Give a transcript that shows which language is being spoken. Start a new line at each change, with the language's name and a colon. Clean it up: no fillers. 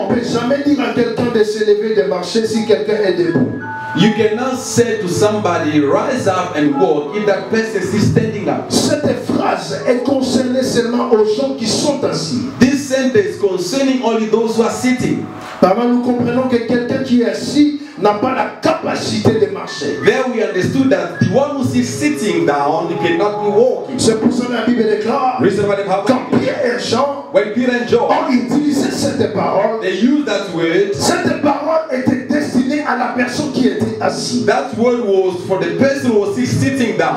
French: Jamais dire à quelqu'un de se lever de marcher si quelqu'un est debout.
English: You cannot say to somebody rise up and walk if that person is standing up.
French: Cette phrase est concernée seulement aux gens qui sont assis.
English: This sentence concerning only those who are sitting.
French: Parce que nous comprenons que quelqu'un qui est assis n'a pas la capacité de marcher.
English: There we understood that the one who is sitting down cannot be walking.
French: C'est pour ça que la Bible déclare. Quand Pierre et Jean,
English: when Peter and John,
French: ont utilisé cette parole,
English: they used that word.
French: Cette parole était destinée à la personne qui était assise.
English: That word was for the person who was sitting down.